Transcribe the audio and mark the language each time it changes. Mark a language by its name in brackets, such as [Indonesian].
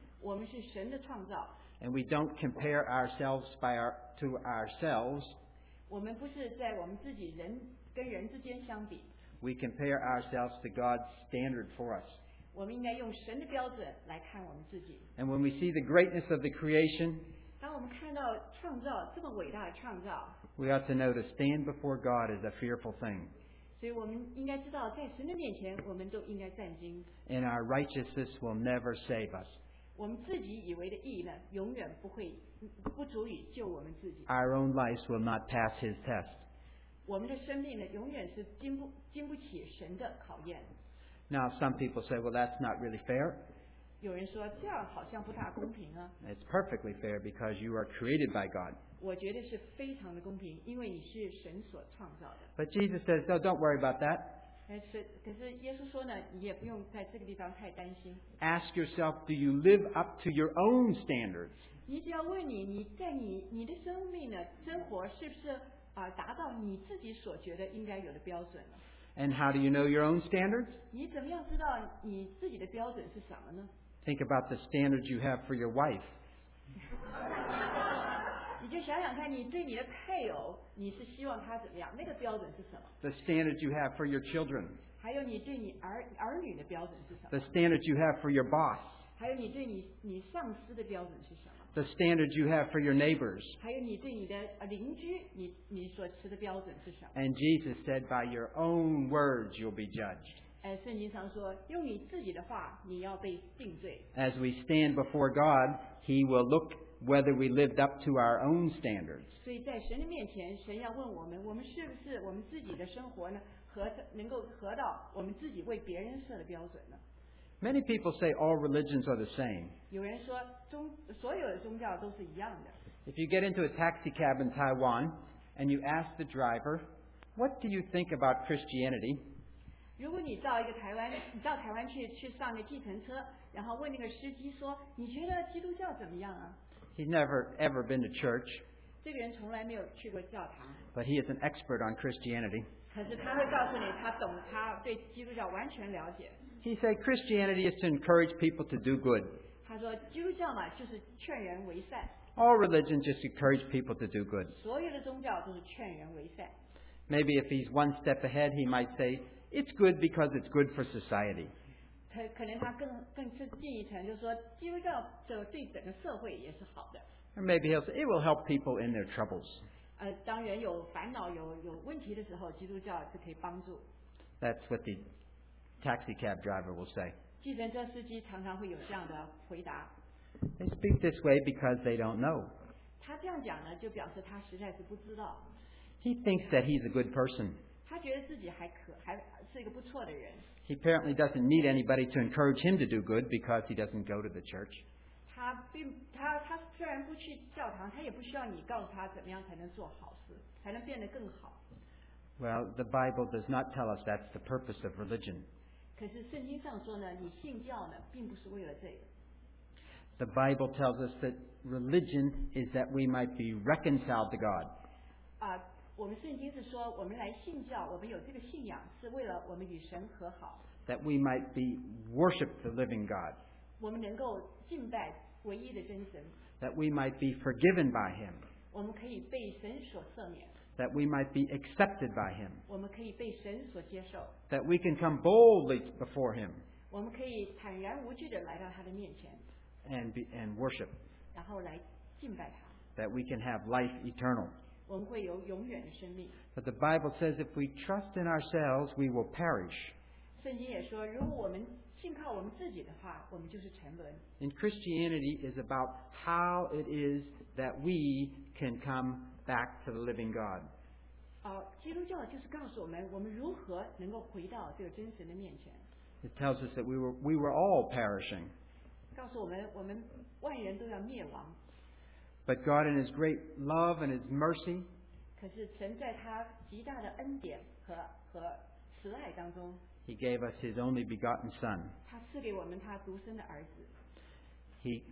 [Chinese] 我们是神的创造。 [English] And we don't compare ourselves to ourselves. [Chinese] 我们不是在我们自己人跟人之间相比。 [English] We compare ourselves to God's standard for us. [Chinese] 我们应该用神的标准来看我们自己。 [English] And when we see the greatness of the creation, [Chinese] 当我们看到创造这么伟大的创造， [English] we ought to know to stand before God is a fearful thing. [Chinese] 所以我们应该知道，在神的面前，我们都应该战兢。 [English] And our righteousness will never save us. [Chinese] 我们自己以为的义呢，永远不足以救我们自己。 [English] Our own lives will not pass His test. [Chinese] 我们的生命呢，永远是经不起神的考验。 [English] Now some people say, well, that's not really fair. [Chinese] 有人说这样好像不大公平啊。 [English] It's perfectly fair because you are created by God. [Chinese] 我觉得是非常的公平，因为你是神所创造的。 [English] But Jesus says, no, don't worry about that. [Chinese] 可是耶稣说呢，你也不用在这个地方太担心。 [English] Ask yourself, do you live up to your own standards? [Chinese] 你只要问你在你的生命呢，生活是不是达到你自己所觉得应该有的标准了。 [English] And how do you know your own standards? [Chinese] 你怎么样知道你自己的标准是什么呢？ [English] Think about the standards you have for your wife. [Chinese] 你就想想看，你对你的配偶，你是希望他怎么样？那个标准是什么？ [English] The standards you have for your children. [Chinese] 还有你对你儿女的标准是什么？ [English] The standards you have for your boss. [Chinese] 还有你对你上司的标准是什么？ [English] The standards you have for your neighbors. [Chinese] 还有你对你的邻居，你所持的标准是什么？ [English] And Jesus said, "By your own words, you'll be judged." [Chinese] 哎，圣经常说，用你自己的话，你要被定罪。 [English] As we stand before God, He will look whether we lived up to our own standards. [Chinese] 所以在神的面前，神要问我们，我们是不是我们自己的生活呢，能够合到我们自己为别人设的标准呢？ [English] Many people say all religions are the same. [Chinese] 有人说。所有的宗教都是一样的。 [English] If you get into a taxi cab in Taiwan and you ask the driver, what do you think about Christianity? [Chinese] 如果你到一个台湾，你到台湾去上个计程车，然后问那个司机说，你觉得基督教怎么样啊？ [English] He's never ever been to church. [Chinese] 这个人从来没有去过教堂。 [English] But he is an expert on Christianity. [Chinese] 可是他会告诉你，他懂，他对基督教完全了解。 [English] He said Christianity is to encourage people to do good. [Chinese] 他说基督教嘛就是劝人为善。 [English] All religion just encourage people to do good. [Chinese] 所有的宗教都是劝人为善。 [English] Maybe if he's one step ahead, he might say, it's good because it's good for society. [Chinese] 他可能他更是进一层，就是说基督教就对整个社会也是好的。 [English] Or maybe he'll say, it will help people in their troubles. [Chinese] 当人有烦恼有问题的时候，基督教是可以帮助。 [English] That's what the taxi cab driver will say. [Chinese] 计程车司机常常会有这样的回答。 [English] They speak this way because they don't know. [Chinese] 他这样讲呢，就表示他实在是不知道。 [English] He thinks that he's a good person. [Chinese] 他觉得自己还是一个不错的人。 [English] He apparently doesn't need anybody to encourage him to do good because he doesn't go to the church. [Chinese] 他虽然不去教堂，他也不需要你告诉他怎么样才能做好事，才能变得更好。 [English] Well, the Bible does not tell us that's the purpose of religion. [Chinese] 可是圣经上说呢，你信教呢，并不是为了这个。 [English] The Bible tells us that religion is that we might be reconciled to God. [Chinese] 我们圣经是说，我们来信教，我们有这个信仰，是为了我们与神和好。 [English] That we might be worship the living God. [Chinese] 我们能够敬拜唯一的真神。 [English] That we might be forgiven by Him. [Chinese] 我们可以被神所赦免。 [English] That we might be accepted by Him. [Chinese] 我们可以被神所接受。 [English] That we can come boldly before Him. [Chinese] 我们可以坦然无惧地来到他的面前。 [English] And worship. [Chinese] 然后来敬拜他。 [English] That we can have life eternal. [Chinese] 我们会有永远的生命。 [English] But the Bible says if we trust in ourselves, we will perish. [Chinese] 圣经也说，如果我们信靠我们自己的话，我们就是沉沦。 [English] And Christianity is about how it is that we can come back to the living God. [Chinese] 基督教就是告诉我们，我们如何能够回到这个真神的面前。 [English] It tells us that we were all perishing. [Chinese] 告诉我们，我们万人都要灭亡。 [English] But God in His great love and His mercy. [Chinese] 可是神在他极大的恩典和慈爱当中。 [English] He gave us His only begotten Son. [Chinese] 他赐给我们他独生的儿子。